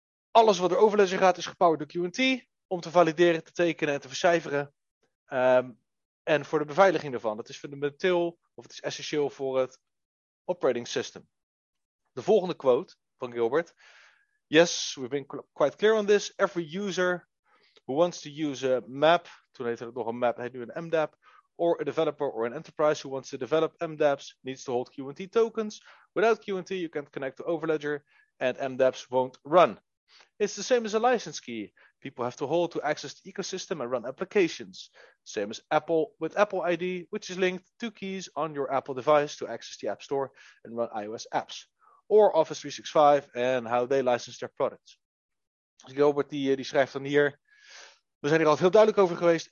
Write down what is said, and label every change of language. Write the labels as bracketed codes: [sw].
[nl] Alles wat er overlezen gaat is gepowered door Q&T. Om te valideren, te tekenen en te vercijferen. En voor de beveiliging ervan. Dat is fundamenteel of het is essentieel voor het operating system. De volgende quote van Gilbert. [en] Yes, we've been quite clear on this. Every user who wants to use a map. [nl] Toen heette het nog een map, heet nu een MDAP. [en] Or a developer or an enterprise who wants to develop MDApps needs to hold Q&T tokens. Without Q&T, you can't connect to Overledger and MDApps won't run. It's the same as a license key. People have to hold to access the ecosystem and run applications. Same as Apple with Apple ID, which is linked to keys on your Apple device to access the App Store and run iOS apps. Or Office 365 and how they license their products. [nl] Dus Gilbert die schrijft dan hier. We zijn hier al heel duidelijk over geweest.